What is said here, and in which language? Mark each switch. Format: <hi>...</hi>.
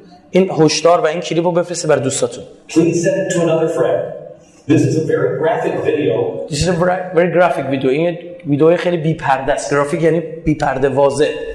<fa>این هشدار و این کلیپ رو بفرستید برای دوستاتون.</fa> <en>Please send it to another friend. This is a very graphic video. This is a very graphic video.</en> <fa>این ویدئوی خیلی بی پرده است. گرافیک یعنی بی پرده، واضح.</fa>